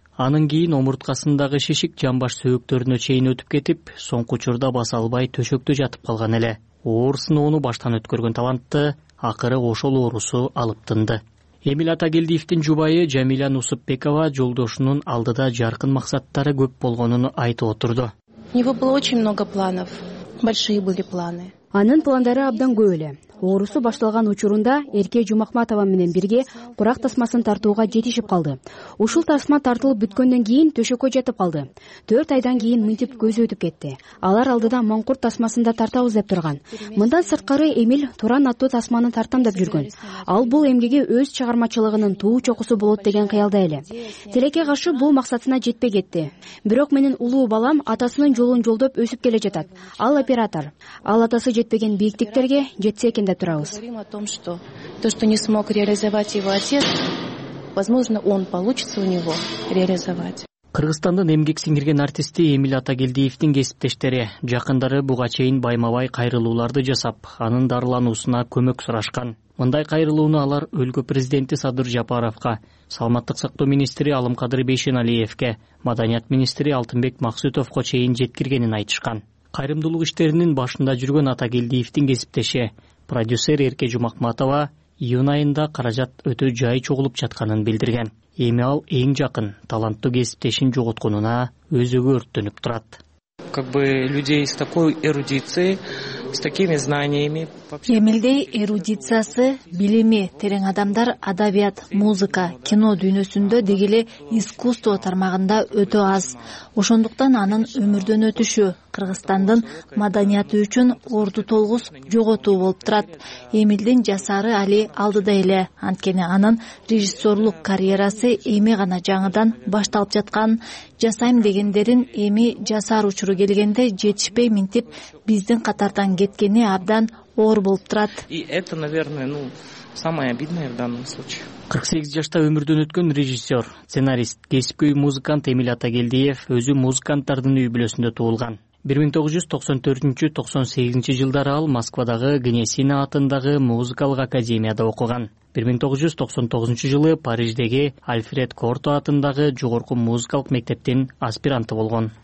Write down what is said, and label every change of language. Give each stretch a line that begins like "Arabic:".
Kyrgyz: Анын кийин омурткасындагы шишик жамбаш сөөктөрүнө чейин өтүп кетип, соңку учурда баса албай төшөктө жатып калган эле. Оор сыноону баштан өткөргөн талантты акыры ошол оорусу алып тынды. Эмиль Атагелдиевдин жубайы Жамиля Нусупбекова жолдошунун алдыда жаркын максаттары көп болгонун айтып отурду.
Russian: У него было очень много планов, большие были планы.
Kyrgyz: Анын пландары абдан көп эле. Оорусу башталган учурунда Эрке Жумахматова менен бирге курак тасмасын тартууга жетишип калды. Ушул тасма тартылып бүткөндөн кийин төшөккө жатып калды. 4 айдан кийин минтип көзү өтүп кетти. Алар алдыда маңкурт тасмасын да тартабыз деп турган. Мындан сырткары Эмиль туран аттуу тасманы тартам деп жүргөн. Ал бул эмгеги өз чыгармачылыгынын туу чокусу болот деген кыялда эле. Тилекке каршы бул максатына жетпей кетти. Бирок менин улуу балам атасынын жолун жолдоп өсүп келе жатат. Ал оператор. Ал атасы жетпеген бийиктиктерге жетсе кенде турабыз.
Russian: Говорим о том, что то, что не смог реализовать его отец, возможно, он получится у него реализовать.
Kyrgyz: Кыргызстандын эмгек сиңирген артисти Эмиль Атагелдиевдин кесиптештери, жакындары буга чейин байма-бай кайрылууларды жасап, анын дарылануусуна көмөк сурашкан. Мындай кайрылууну алар өлкө президенти Садыр Жапаровко, саламаттык сактоо министри Алымкадыр Бейшеналиевке, маданият министри Алтынбек Максутовко чейин жеткиргенин айтышкан. Кайрымдуулук иштеринин башында жүргөн Атагелдиевдин кесиптеши продюсер Эрке Жумахматова июнь айында каражат өтө жай чогулуп жатканын билдирген. эми ал эң жакын таланттуу кесиптешин жоготконуна өзүгө өрттөнүп турат.
Russian: Как бы людей с такой эрудицией, с такими знаниями.
Kyrgyz: Эмилдей эрудициясы, билими, терең адамдар адабият, музыка, кино дүйнөсүндө дегеле искусство тармагында өтө аз. Ошондуктан анын өмүрдөн өтүшү Кыргызстандын маданияты үчүн орду толгус жоготуу болуп турат. Эмилдин жасары али алдыда эле, анткени анын режиссерлук карьерасы эми гана жаңыдан башталып жаткан. Жасайм дегендерин эми жасар учуру келгенде жетишпей минтип биздин катардан кеткени абдан оор болуп турат.
Russian: И это, наверное, самое обидное в данном случае.
Kyrgyz: 48 жашта өмүрдөн өткөн режиссер, сценарист, кесипкөй музыкант Эмил Атагелдиев өзү музыканттардын үй бүлөсүндө туулган. 1994-98 жылдары ал Москвадагы Гнесина атындагы музыкалык академияда окуган. 1999 жылы Париждеги Альфред Корто атындагы жогорку музыкалык мектептин аспиранты болгон.